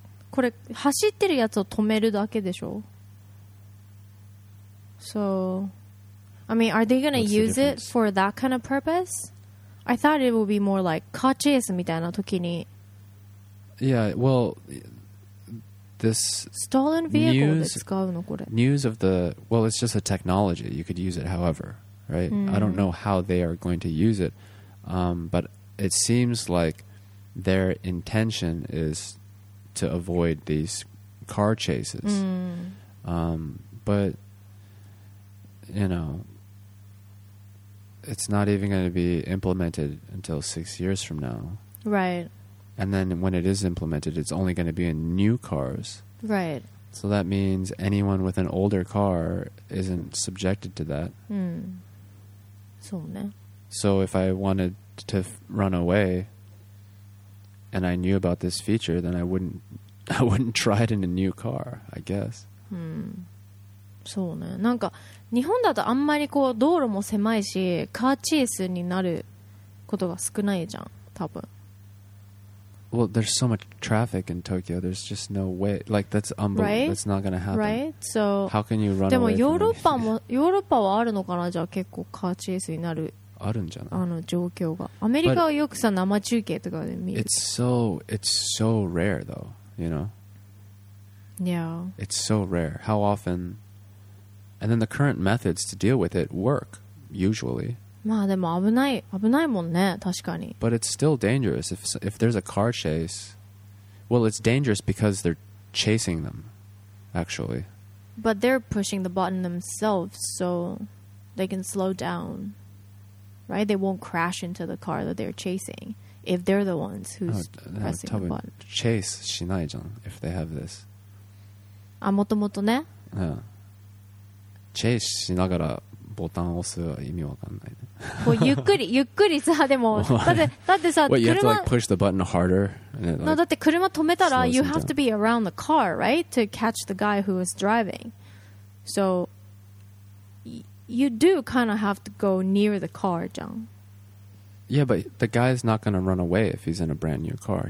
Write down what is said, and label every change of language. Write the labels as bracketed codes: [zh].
[ja] これ走ってるやつを止めるだけでしょ。 [en] So I mean, are they gonna use it for that kind of purpose? I thought it would be more like car chase [ja] みたいな時に。 [en] Yeah, well, this stolen vehicle news, [ja] で使うのこれ。 [en] News of the, well, it's just a technology. You could use it however, right?、Mm. I don't know how they are going to use it,、but it seems like their intention is to avoid these car chases.、Mm. But, you know, it's not even going to be implemented until 6 years from now. Right. And then when it is implemented, it's only going to be in new cars. Right. So that means anyone with an older car isn't subjected to that. [ja] Mm. そうね。 [en] So if I wanted to run away and I knew about this feature, then I wouldn't try it in a new car, I guess. [ja] Mm. そうね。なんか日本だとあんまりこう道路も狭いし、カーチェイスになることが少ないじゃん、多分。 [en] Well, there's so much traffic in Tokyo. There's just no way. Like, that's unbelievable. Right? That's not going to happen. Right? So, how can you run away from [ja] ヨーロッパはあるのかな？じゃあ結構カーチェイスになる。あるんじゃない？あの状況が。アメリカはよくさ、生中継とかで見る。 [en] It's so rare, though. You know? Yeah. It's so rare. How often... And then the current methods to deal with it work, usually. [ja] まあでも危ないもんね、確かに。 [en] But it's still dangerous if there's a car chase. Well, it's dangerous because they're chasing them, actually. But they're pushing the button themselves, so they can slow down, right? They won't crash into the car that they're chasing if they're the ones who's pressing the button. Chase [ja] しないじゃん [en] if they have this. [ja] あ、もともとね。 Yeah. Chase しながらボタン押すは意味わかんないね。こうゆっくりゆっくりさ、でもだってさ、 [en] 車 you have to like push the button harder? No, [ja] だって車止めたら [en] you have to be around the car, right? To catch the guy who is driving. So you do kind of have to go near the car, John. Yeah, but the guy is not going to run away if he's in a brand new car.